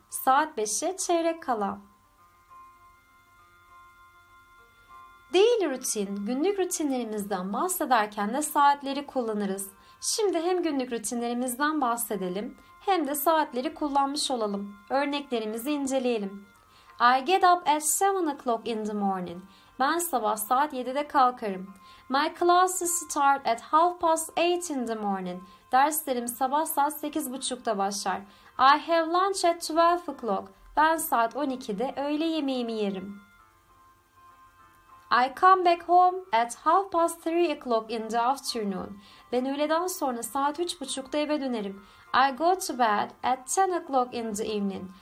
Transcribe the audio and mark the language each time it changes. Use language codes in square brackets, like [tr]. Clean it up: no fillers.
[tr] Saat 5'e çeyrek kala. [en] Daily routine, [tr] günlük rutinlerimizden bahsederken de saatleri kullanırız. Şimdi hem günlük rutinlerimizden bahsedelim hem de saatleri kullanmış olalım. Örneklerimizi inceleyelim. [en] I get up at 7 o'clock in the morning. [tr] Ben sabah saat 7'de kalkarım. [en] My classes start at 8:30 in the morning. [tr] Derslerim sabah saat 8.30'da başlar. [en] I have lunch at 12 o'clock. [tr] Ben saat 12'de öğle yemeğimi yerim. [en] I come back home at 3:30 in the afternoon. [tr] Ben öğleden sonra saat 3:30'da eve dönerim. [en] I go to bed at 10:00 in the evening.